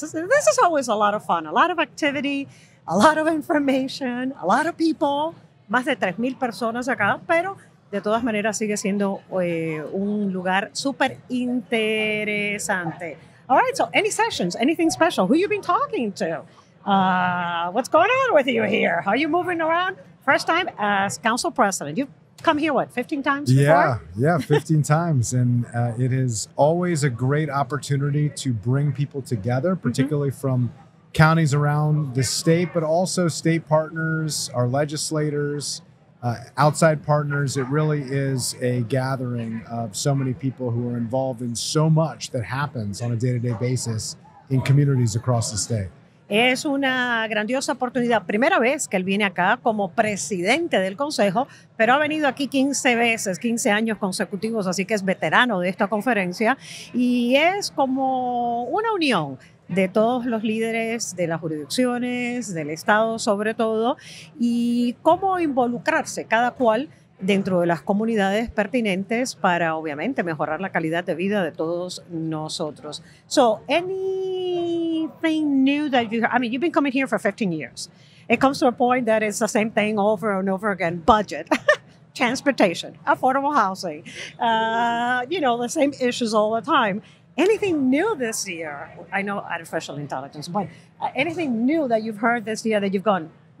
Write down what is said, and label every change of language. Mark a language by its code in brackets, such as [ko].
[en] This is always a lot of fun, a lot of activity, a lot of information, a lot of people. [es] Más de 3,000 personas acá, pero de todas maneras sigue siendo un lugar súper interesante. [en] All right, so any sessions, anything special? Who you been talking to? What's going on with you here? How are you moving around? First time as council president. You've come here, what, 15 times before? Yeah, 15 times. And it is always a great opportunity to bring people together, particularly mm-hmm. from counties around the state, but also state partners, our legislators, outside partners. It really is a gathering of so many people who are involved in so much that happens on a day-to-day basis in communities across the state. [es] Es una grandiosa oportunidad. Primera vez que él viene acá como presidente del consejo, pero ha venido aquí 15 veces, 15 años consecutivos, así que es veterano de esta conferencia. Y es como una unión de todos los líderes de las jurisdicciones, del estado sobre todo, y cómo involucrarse cada cual dentro de las comunidades pertinentes para, obviamente, mejorar la calidad de vida de todos nosotros. [en] So, anything new that you... I mean, you've been coming here for 15 years. It comes to a point that it's the same thing over and over again. Budget, transportation, affordable housing. You know, the same issues all the time. Anything new this year? I know artificial intelligence, but anything new that you've heard this year that you've gone,